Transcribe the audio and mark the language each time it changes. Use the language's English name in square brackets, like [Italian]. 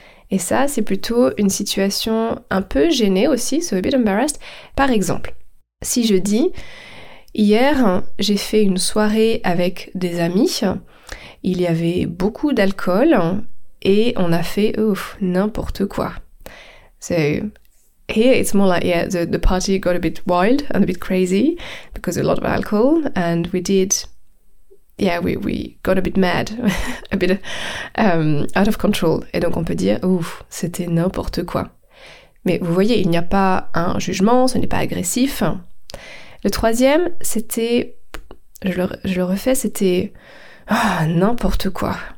[French] Et ça, c'est plutôt une situation un peu gênée aussi, [English] so a bit embarrassed. [French] Par exemple, si je dis, hier, j'ai fait une soirée avec des amis, il y avait beaucoup d'alcool et on a fait n'importe quoi. [English] So, here it's more like, yeah, the party got a bit wild and a bit crazy because a lot of alcohol and we did... yeah, we got a bit mad, a bit out of control. [French] Et donc on peut dire, ouf, c'était n'importe quoi. Mais vous voyez, il n'y a pas un jugement, ce n'est pas agressif. Le troisième, c'était, je le refais, c'était oh, n'importe quoi.